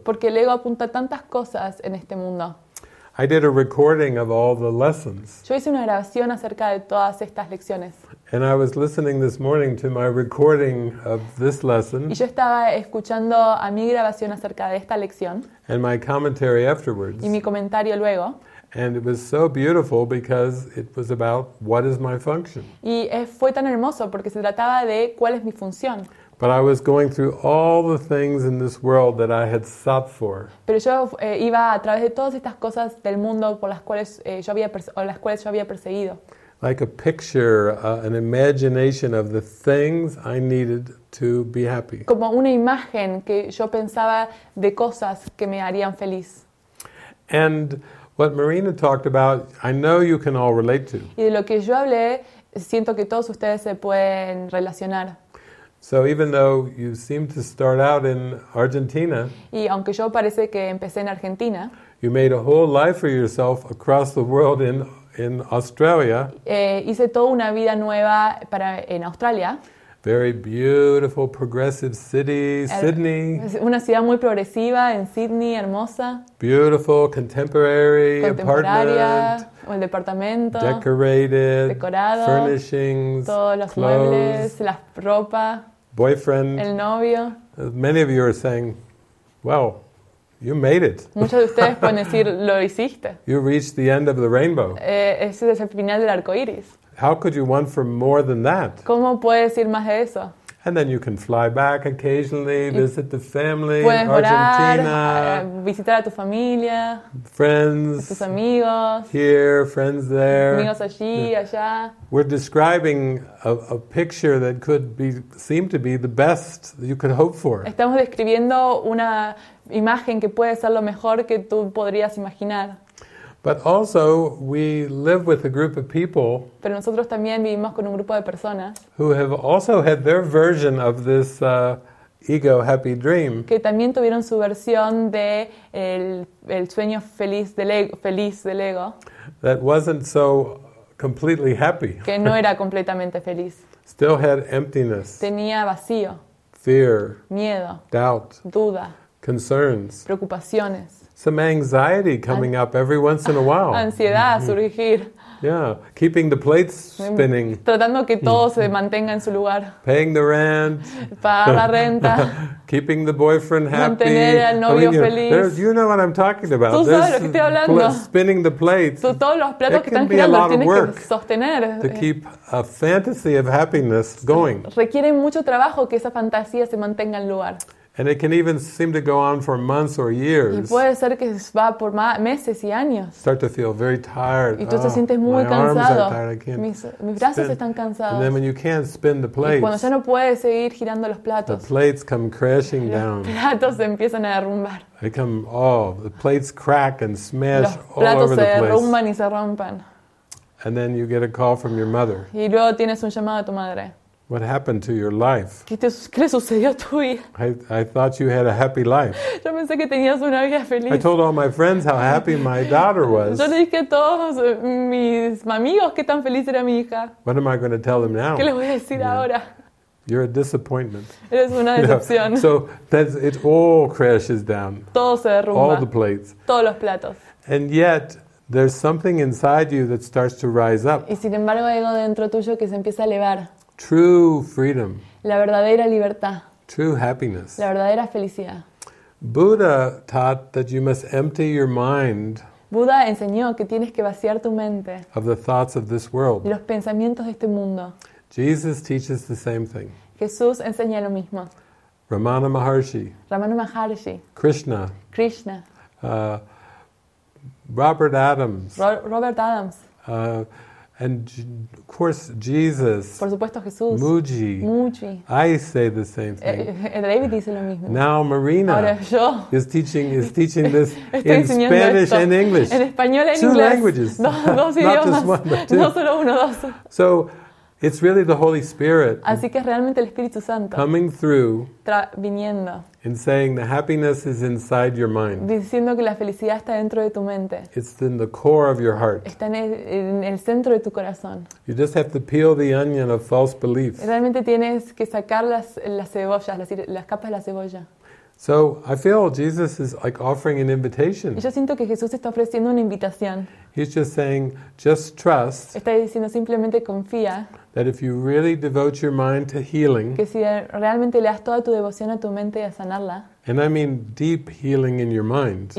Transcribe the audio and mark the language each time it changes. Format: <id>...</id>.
<es>Porque el ego apunta tantas cosas en este mundo.</es> <en>I did a recording of all the lessons.</en> <es>Yo hice una grabación acerca de todas estas lecciones.</es> <en>And I was listening this morning to my recording of this lesson.</en> <es>Y yo estaba escuchando a mi grabación acerca de esta lección.</es> <en>And my commentary afterwards.</en> <es>Y mi comentario luego.</es> <en>And it was so beautiful because it was about what is my function.</en> <es>Y fue tan hermoso porque se trataba de cuál es mi función.</es> <en>But I was going through all the things in this world that I had sought for.</en> <es>Pero yo iba a través de todas estas cosas del mundo por las cuales yo había perseguido.</es> <en>Like a picture, an imagination of the things I needed to be happy.</en> <es>Como una imagen que yo pensaba de cosas que me harían feliz.</es> <en>And what Marina talked about, I know you can all relate to.</en> <es>Y de lo que yo hablé, siento que todos ustedes se pueden relacionar.</es> <en>So even though you seem to start out in Argentina,</en> <es>y aunque yo parece que empecé en Argentina,</es> <en>you made a whole life for yourself across the world in Australia.</en> <es>Hice toda una vida nueva para en Australia.</es> <en>Very beautiful, progressive city, Sydney.</en> <es>Una ciudad muy progresiva en Sydney, hermosa.</es> <en>Beautiful, contemporary apartment.</en> <es>El departamento.</es> <en>Decorated.</en> <es>Decorado.</es> <en>Furnishings.</en> <es>Todos los</es> <en>clothes,</en> <es>muebles, la ropa.</es> <en>Boyfriend.</en> <es>El novio.</es> <en>Many of you are saying, "Wow, you made it."</en> <es>Muchos de ustedes pueden decir, "Lo hiciste."</es> <en>You reached the end of the rainbow.</en> <es>Ese es el final del arco iris.</es> <en>How could you want for more than that?</en> <es>¿Cómo puedes ir más de eso?</es> <en>And then you can fly back occasionally, visit the family,</en> <es>puedes</es> <en>in Argentina,</en> <es>visitar a tu familia,</es> <en>friends,</en> <es>a tus amigos,</es> <en>here, friends there,</en> <es>amigos allí, allá.</es> <en>We're describing a picture that could be seem to be the best that you could hope for.</en> <es>Estamos describiendo una imagen que puede ser lo mejor que tú podrías imaginar.</es> <en>But also, we live with a group of people.</en> <es>Pero nosotros también vivimos con un grupo de personas.</es> <en>Who have also had their version of this ego happy dream.</en> <es>Que también tuvieron su versión de el sueño feliz del ego.</es> <en>That wasn't so completely happy.</en> <es>Que no era completamente feliz.</es> <en>Still had emptiness.</en> <es>Tenía vacío.</es> <en>Fear.</en> <es>Miedo.</es> <en>Doubt.</en> <es>Duda.</es> <en>Concerns.</en> <es>Preocupaciones.</es> <en>Some anxiety coming up every once in a while.</en> <es>Ansiedad a surgir.</es> <en>Yeah, keeping the plates spinning.</en> <es>Tratando que todo se mantenga en su lugar.</es> <en>Paying the rent.</en> <es>Pagar la renta.</es> <en>Keeping the boyfriend happy.</en> <es>Mantener al novio feliz.</es> <en>You know what I'm talking about.</en> <es>Tú sabes lo que estoy hablando.</es> <en>Spinning the plates.</en> <es>Todos los platos que están girando tienes que sostener.</es> <en>To keep a fantasy of happiness going.</en> <es>Requiere mucho trabajo que esa fantasía se mantenga en lugar.</es> <en>And it can even seem to go on for months or years.</en> <es>Y puede ser que va por meses y años.</es> <en>Start to feel very tired.</en> <es>Y tú te sientes muy</es> <en>my</en> <es>cansado.</es> <en>Arms are tired. I can't</en> <es>mis brazos están cansados.</es> <en>And then when you can't spin the plates.</en> <es>Y cuando ya no puedes seguir girando los platos.</es> <en>The plates come crashing down.</en> <es>Los platos se empiezan a derrumbar.</es> <en>They come, oh, the plates crack and smash all over the place.</en> <es>Los platos se derrumban y se rompen.</es> <en>And then you get a call from your mother.</en> <es>Y luego tienes un llamado a tu madre.</es> <en>What happened to your life?</en> <es>¿Qué le sucedió a tu vida?</es> <en>I thought you had a happy life.</en> <es>Yo pensé que tenías una vida feliz.</es> <en>I told all my friends how happy my daughter was.</en> <es>Yo le dije a todos mis amigos qué tan feliz era mi hija.</es> <en>What am I going to tell them now?</en> <es>¿Qué les voy a decir ahora?</es> <en>You're a disappointment.</en> <es>Eres una decepción.</es> <en>So it all crashes down.</en> <es>Todo se derrumba.</es> <en>All the plates.</en> <es>Todos los platos.</es> <en>And yet, there's something inside you that starts to rise up.</en> <es>Y sin embargo hay algo dentro tuyo que se empieza a elevar.</es> <en>True freedom.</en> <es>La verdadera libertad.</es> <en>True happiness.</en> <es>La verdadera felicidad.</es> <en>Buddha taught that you must empty your mind.</en> <es>Buda enseñó que tienes que vaciar tu mente.</es> <en>Of the thoughts of this world.</en> <es>Los pensamientos de este mundo.</es> <en>Jesus teaches the same thing.</en> <es>Jesús enseña lo mismo.</es> <en>Ramana Maharshi.</en> <es>Ramana Maharshi.</es> <en>Krishna.</en> <es>Krishna.</es> <en>Robert Adams.</en> <es>Robert Adams.</es> <en>And of course, Jesus.</en> <es>Por supuesto, Jesús.</es> <en>Muji. I say the same thing.</en> <es>David dice lo mismo.</es> <en>Now Marina.</en> <es>Ahora, yo.</es> <en>Is teaching this in Spanish</en> <es>esto.</es> <en>And English.</en> <es>En español, en</es> <en>two</en> <es>inglés.</es> <en>Languages.</en> <es>Dos idiomas.</es> <en>Not just one, but two.</en> <es>No solo uno, dos.</es> <en>So it's really the Holy Spirit.</en> <es>Así que realmente el Espíritu Santo.</es> <en>Coming through.</en> <es>Viniendo.</es> <en>And saying the happiness is inside your mind.</en> <es>Diciendo que la felicidad está dentro de tu mente.</es> <en>It's in the core of your heart.</en> <es>Está en el centro de tu corazón.</es> <en>You just have to peel the onion of false beliefs.</en> <es>Realmente tienes que sacar las cebollas, las capas de la cebolla.</es> <en>So I feel Jesus is like offering an invitation.</en> <es>Yo siento que Jesús está ofreciendo una invitación.</es> <en>He's just saying, just trust.</en> <es>Está diciendo simplemente confía.</es> <en>That if you really devote your mind to healing.</en> <es>Que si realmente le das toda tu devoción a tu mente y a sanarla.</es> <en>And I mean deep healing in your mind.</en>